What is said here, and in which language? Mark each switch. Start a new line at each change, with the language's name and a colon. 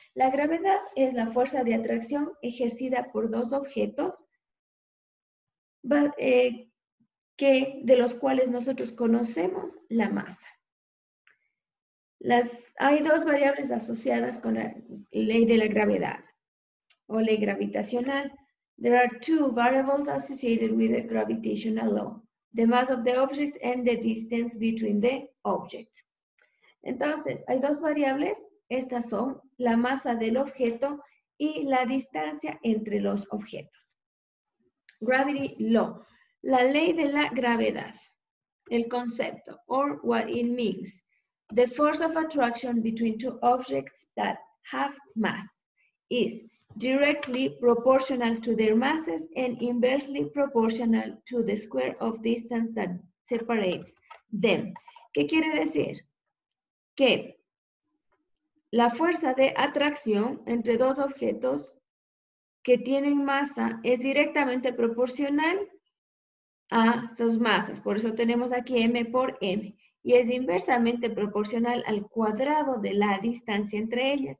Spanish: La gravedad es la fuerza de atracción ejercida por dos objetos de los cuales nosotros conocemos la masa. Hay dos variables asociadas con la ley de la gravedad o ley gravitacional.
English: There are two variables associated with the gravitational law: the mass of the objects and the distance between the objects.
Spanish: Entonces, hay dos variables. Estas son la masa del objeto y la distancia entre los objetos.
English: Gravity law.
Spanish: La ley de la gravedad. El concepto,
English: or what it means. The force of attraction between two objects that have mass is directly proportional to their masses and inversely proportional to the square of distance that separates them.
Spanish: ¿Qué quiere decir? Que la fuerza de atracción entre dos objetos que tienen masa es directamente proporcional a sus masas. Por eso tenemos aquí m por m. Y es inversamente proporcional al cuadrado de la distancia entre ellas.